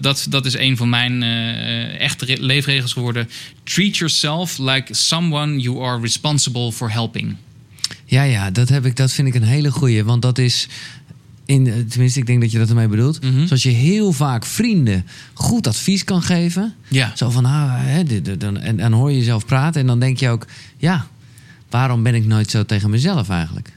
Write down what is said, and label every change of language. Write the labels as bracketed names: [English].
[Dutch] Dat is een van mijn echte leefregels geworden. [English] Treat yourself like someone you are responsible for helping. [Dutch] Ja, dat heb ik. Dat vind ik een hele goeie, want dat is... Tenminste, ik denk dat je dat ermee bedoelt. Mm-hmm. Zoals je heel vaak vrienden goed advies kan geven. Ja. Zo van, en hoor je jezelf praten. En dan denk je ook, waarom ben ik nooit zo tegen mezelf eigenlijk?